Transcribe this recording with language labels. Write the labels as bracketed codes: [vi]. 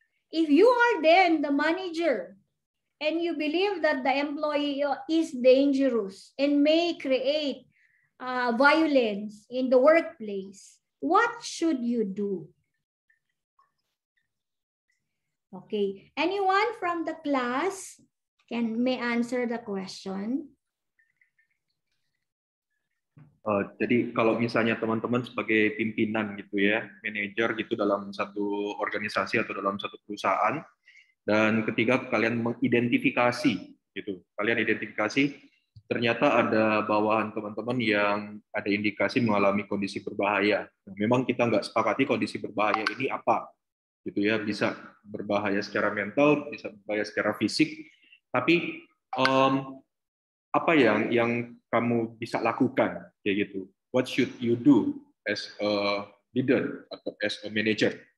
[en] If you are then the manager and you believe that the employee is dangerous and may create violence in the workplace, what should you do? Okay, anyone from the class may answer the question. [id] Jadi kalau misalnya teman-teman sebagai pimpinan gitu ya, manager gitu dalam satu organisasi atau dalam satu perusahaan, dan ketiga kalian mengidentifikasi gitu, kalian identifikasi ternyata ada bawahan teman-teman yang ada indikasi mengalami kondisi berbahaya. Nah, memang kita nggak sepakati kondisi berbahaya ini apa, gitu ya, bisa berbahaya secara mental, bisa berbahaya secara fisik, tapi apa yang kamu bisa lakukan, kayak gitu. [en] What should you do as a leader atau as a manager?